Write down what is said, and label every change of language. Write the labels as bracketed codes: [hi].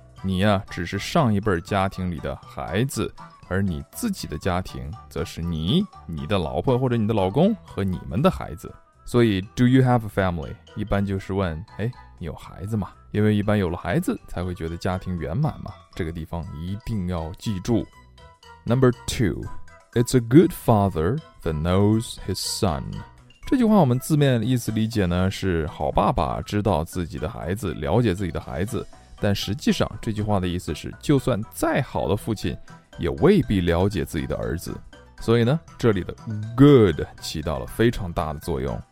[zh] 你啊，只是上一辈家庭里的孩子，而你自己的家庭则是你、你的老婆或者你的老公和你们的孩子。所以 [en] ,do you have a family? [zh] 一般就是问，哎，你有孩子吗？因为一般有了孩子才会觉得家庭圆满嘛。这个地方一定要记住。 [en] Number two, it's a good father that knows his son. [zh] 这句话我们字面意思理解呢，是好爸爸知道自己的孩子，了解自己的孩子。但实际上这句话的意思是，就算再好的父亲也未必了解自己的儿子。所以呢，这里的 good 起到了非常大的作用。